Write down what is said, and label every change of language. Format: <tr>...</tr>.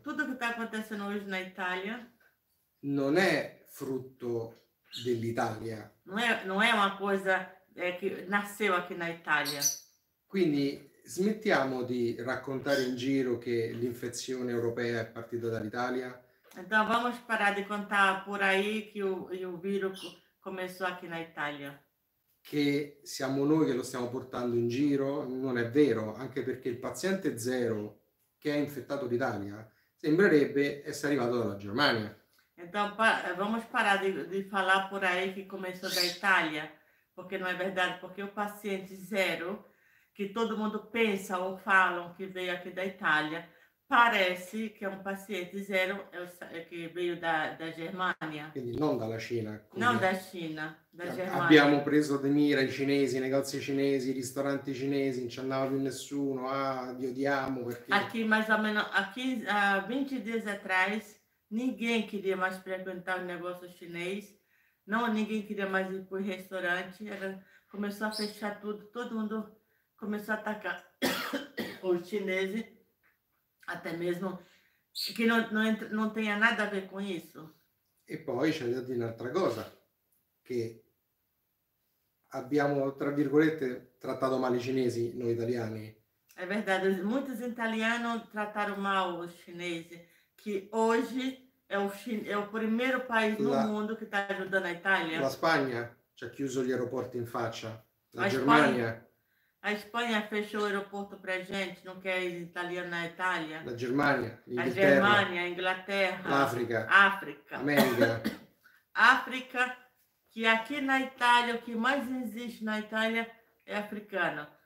<it>Tutto che sta acontecendo oggi in Italia. Non è frutto dell'Italia. Non è una cosa che nasceva qui in Italia. Quindi smettiamo di raccontare in giro che l'infezione europea è partita dall'Italia.</it> <pt>Então vamos parar de contar por aí que o virus começou aqui na Itália.</pt> <it>Che siamo noi che lo stiamo portando in giro, non è vero, anche perché il paziente zero che ha infettato l'Italia sembrerebbe essere arrivato dalla Germania.</it> <pt>Então vamos parar de falar por aí que começou da Itália, porque não é verdade, porque o paciente zero que todo mundo pensa ou falam que veio aqui da Itália, parece que é um paciente zero que veio da Germania.</pt> <it>Quindi non dalla Cina. Come...</it> <pt>Não da China, da Germania.</pt> <it>Abbiamo preso di mira i cinesi, i negozi cinesi, i ristoranti cinesi, non ci andava più nessuno, ah, vi odiamo perché...</it> <pt>Aqui, mais ou menos, aqui, 20 dias atrás, ninguém queria mais frequentar o negócio chinês, não, ninguém queria mais ir para o restaurante, começou a fechar tudo, todo mundo... Começou a atacar os chineses, até mesmo que não tenha nada a ver com isso.</pt> <it>E poi c'è da dire un'altra cosa, che abbiamo, tra virgolette, trattato male i cinesi, noi italiani.</it> <pt>É verdade, muitos italianos trataram mal os chineses, que hoje é o primeiro país no mundo que está ajudando a Itália.</pt> <it>La Spagna ci ha chiuso gli aeroporti in faccia, la Germania.</it> <pt>A Espanha fechou o aeroporto para a gente, não quer ir italiano na Itália. Na Germânia, a Germânia, a Inglaterra. África. África. América. África, que aqui na Itália, o que mais existe na Itália é africana.</pt>